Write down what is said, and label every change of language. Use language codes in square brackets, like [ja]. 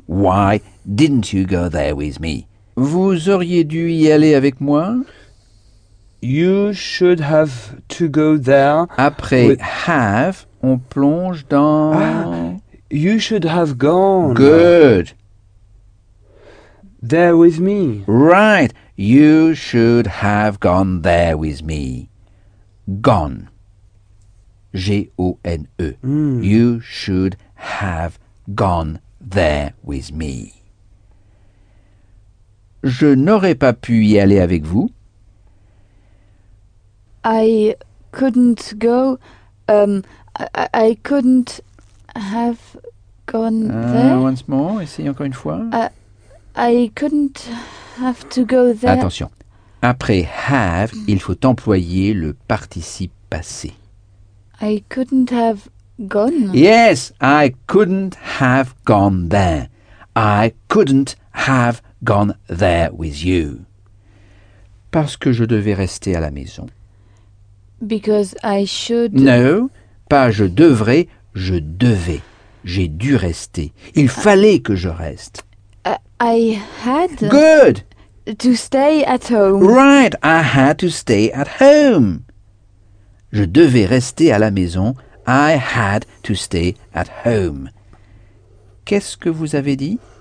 [en] Why didn't you go there with me? [fr] Vous auriez dû y aller avec moi. [en] You should have to go there. [fr] Après have, on plonge dans... [en] you should have gone. Good. There with me. Right. You should have gone there with me. Gone. G-O-N-E. You should have gone there with me. [fr] Je n'aurais pas pu y aller avec vous. [en] I couldn't go. I couldn't have gone there. Once more, [fr] essayez encore une fois. [en] I couldn't have to go there. [fr] Attention. Après have, il faut employer le participe passé. [en] I couldn't have gone. Yes, I couldn't have gone there. I couldn't have gone there with you. [fr] Parce que je devais rester à la maison. [en] Because I should... [fr] no, pas je devrais, je devais. J'ai dû rester. Il fallait que je reste. [en] I had... good! To stay at home. Right, I had to stay at home. [fr] Je devais rester à la maison... [en] I had to stay at home. [fr] Qu'est-ce que vous avez dit?